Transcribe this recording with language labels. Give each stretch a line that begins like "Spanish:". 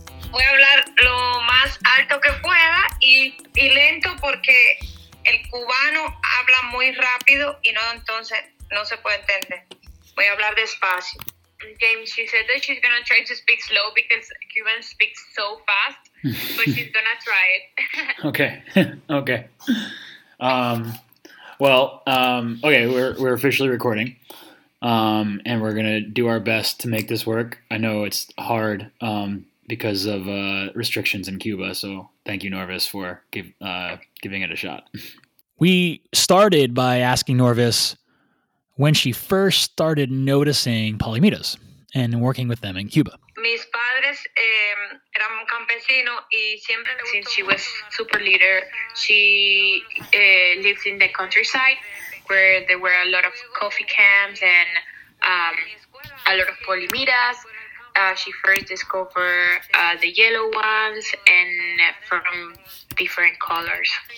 Spanish: Voy a hablar lo más alto que pueda y lento porque el cubano habla muy rápido y no, entonces no se puede entender. Voy a hablar despacio.
English: James, she said that she's going to try to speak slow because Cubans speak so fast, but she's going to try it. Okay. We're officially recording, and we're going to do our best to make this work. I know it's hard because of restrictions in Cuba, so thank you, Norvis, for giving it a shot. We started by asking Norvis when she first started noticing polymedas and working with them in Cuba.
Spanish: Mis padres eran campesinos y siempre me gustó.
English: Since she was super leader, she lived in the countryside where there were a lot of coffee camps and a lot of polymedas. She first discovered the yellow ones and from different colors.